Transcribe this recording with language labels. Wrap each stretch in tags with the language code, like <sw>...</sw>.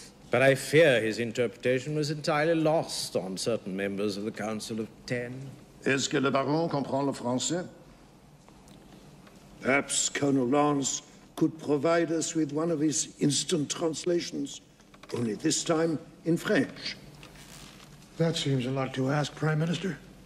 <en>But I fear his interpretation was entirely lost on certain members of the Council of Ten.</en> <fr>Est-ce que le Baron comprend le français?</fr> <en>Perhaps Colonel Lawrence could provide us with one of his instant translations, only this time in French. That seems a lot to ask, Prime Minister.</en>